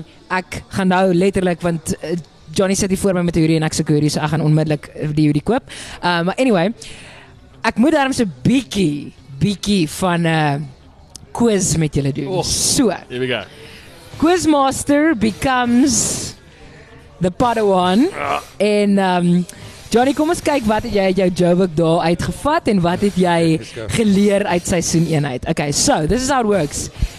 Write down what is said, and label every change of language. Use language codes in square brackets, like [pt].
[af] Ek gaan nou letterlik, want Johnny sit hier voor my met 'n hoodie en ek soek hoodie, so ek gaan onmiddellik die hoodie koop. Maar anyway, ek moet daarom so biekie van quiz met julle doen. Oh, so. [en] Here we go. Quizmaster becomes the Padawan. [af] En Johnny, kom ons kyk wat het jy uit jou Joburg daar uitgevat en wat het jy geleer uit seisoen 1 uit. [en] Okay, so this is how it works.